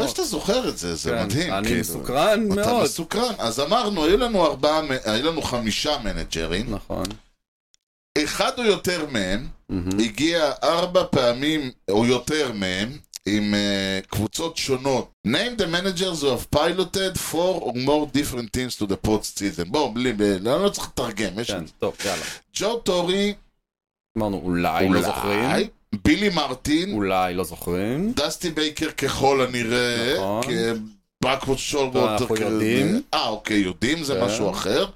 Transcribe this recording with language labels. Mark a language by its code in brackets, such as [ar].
[he] איפה שאתה זוכר את זה, זה מדהים. אני מסוקרן מאוד. אתה מסוקרן. אז אמרנו, היו לנו ארבעה, היו לנו חמישה מנג'רים. נכון. אחד או יותר מהם, הגיע ארבע פעמים או יותר מהם, עם קבוצות שונות. [en] Name the managers who have piloted four or more different teams to the post-season. [he] בואו, בלי, אני לא צריך לתרגם. כן, טוב, יאללה. ג'ו טורי. אמרנו, אולי, לא זוכרים. אולי. בילי מרטין. אולי, לא זוכרים. דסטי בייקר ככל הנראה. נכון. כבקבוד שולבוטר. אנחנו יודעים. אוקיי, יודעים, זה משהו אחר.